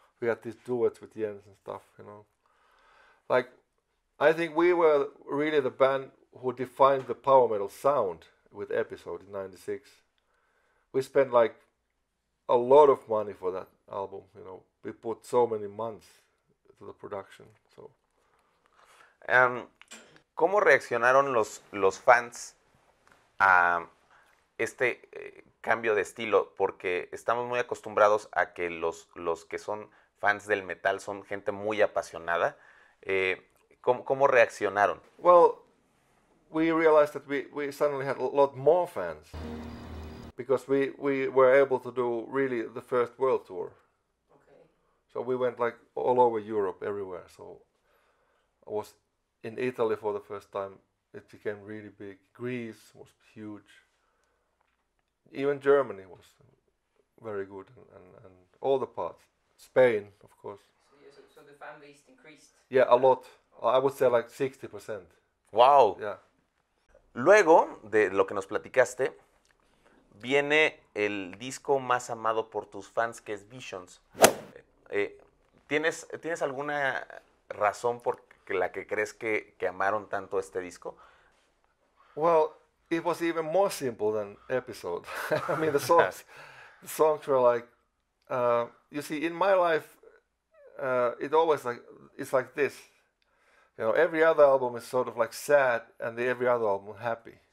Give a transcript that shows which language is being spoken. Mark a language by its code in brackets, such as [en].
[en] We had these duets with Jens and stuff, you know. Like, I think we were really the band who defined the power metal sound with Episode in 96. We spent like a lot of money for that album, you know. We put so many months to the production, so. [es] ¿Cómo reaccionaron los fans a este cambio de estilo? Porque estamos muy acostumbrados a que los que son fans del metal son gente muy apasionada. ¿Cómo reaccionaron? [en] Well, we realized that we suddenly had a lot more fans because we were able to do really the first world tour. So we went like all over Europe, everywhere. So I was in Italy for the first time. It became really big. Greece was huge. Even Germany was very good, and all the parts. Spain, of course. So the fan base increased? Yeah, a lot. I would say like 60%. Wow. Yeah. [es] Luego de lo que nos platicaste, viene el disco más amado por tus fans, que es Visions. ¿Tienes alguna razón por la que crees que amaron tanto este disco? [en] Well, it was even more simple than Episode. I mean, the songs, the songs were like, you see, in my life, it always like it's like this. You know, every other album is sort of like sad, and the every other album happy.